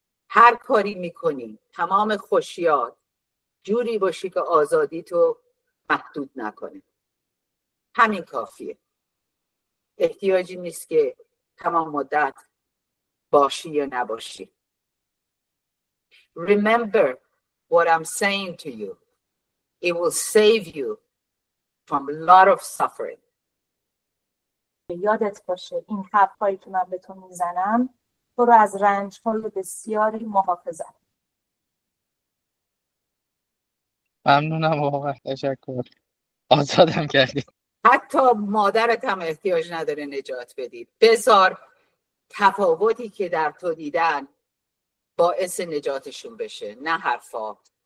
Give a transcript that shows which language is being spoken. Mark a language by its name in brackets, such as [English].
[Persian] هر کاری میکنی تمام خوشیات جوری باشی که آزادی تو محدود نکنه، همین کافیه. احتیاجی نیست که تمام مدت باشی یا نباشی. [English] Remember what I'm saying to you. It will save you from a lot of suffering. [Persian] یادت باشه این حرفایی که من به تو میزنم تو رو از رنج‌های بسیاری محافظت. ممنونم واقعا، تشکر، آزادم کردی. حتی مادرت هم احتیاج نداره نجات بدی، بذار تفاوتی که در تو دیدن باعث نجاتشون بشه، نه حرفا.